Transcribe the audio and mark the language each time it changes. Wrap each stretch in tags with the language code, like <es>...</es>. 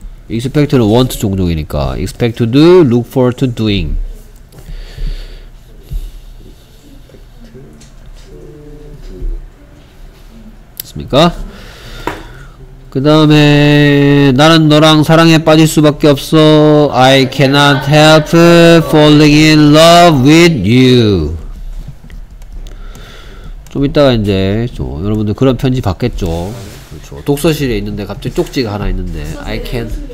<en>expect는 want 종종이니까 expect to do, look forward to doing.</en> <ko>됐습니까? 그 다음에 나는 너랑 사랑에 빠질 수밖에 없어.</ko> <en>I cannot help falling in love with you.</en> <ko>좀 이따가 이제 좀 여러분들 그런 편지 받겠죠. 그렇죠. 독서실에 있는데 갑자기 쪽지가 하나 있는데</ko> <en>I can.</en>